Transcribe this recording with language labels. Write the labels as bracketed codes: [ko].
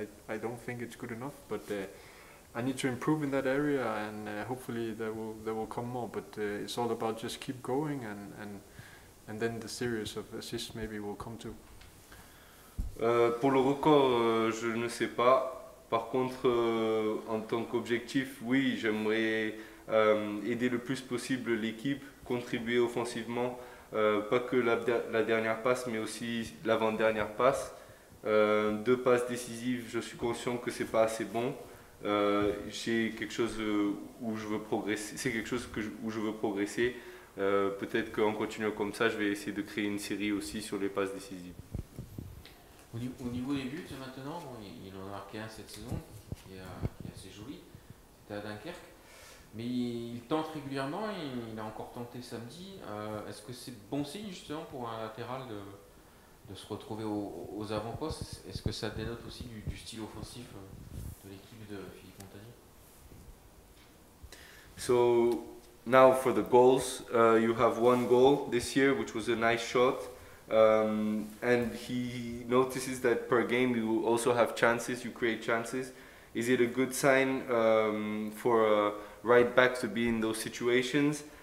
[en] I don't think it's good enough, but I need to improve in that area, and hopefully there will come more. But it's all about just keep going, and then the series of assists maybe will come too. [fr] Pour le record, je ne sais pas. Par contre, en tant qu'objectif, oui, j'aimerais aider le plus possible l'équipe, contribuer offensivement. Pas que la dernière passe, mais aussi l'avant-dernière passe. 2 passes décisives, je suis conscient que ce n'est pas assez bon. J'ai quelque chose où je veux progresser. C'est quelque chose où je veux progresser. Peut-être qu'en continuant comme ça, je vais essayer de créer une série aussi sur les passes décisives. Au niveau des buts maintenant, bon, il en a marqué un cette saison, qui est assez joli. C'était à Dunkerque. Mais il tente régulièrement, il a encore tenté samedi. Est-ce que c'est bon signe justement pour un latéral de se retrouver aux avant-postes? Est-ce que ça dénote aussi du style offensif de l'équipe de Philippe Montagné? [en] So now for the goals, you have 1 goal this year, which was a nice shot. And he notices that per game you also have chances, you create chances. Is it a good sign for a right back to be in those situations?